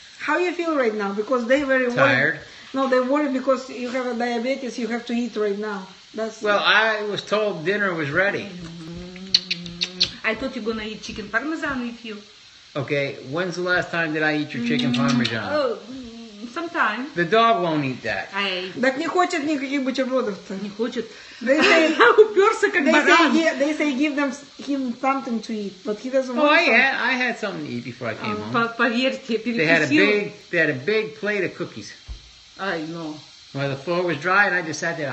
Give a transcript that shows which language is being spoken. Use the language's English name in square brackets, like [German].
[English] How you feel right now? Because they very tired. Worried. No, they worried because you have a diabetes. You have to eat right now. That's well. I was told dinner was ready. Mm-hmm. I thought you're gonna eat chicken parmesan with you. Okay, when's the last time did I eat your chicken parmesan? Oh, sometime. The dog won't eat that. [Russian] Так не хочет никаких бутербродов. Не хочет. [English] They say give them him something to eat, but he doesn't want something. Oh, I had something to eat before I came home. [Russian] Поверьте, [English] They had a big plate of cookies. I know. Well, the floor was dry and I just sat there.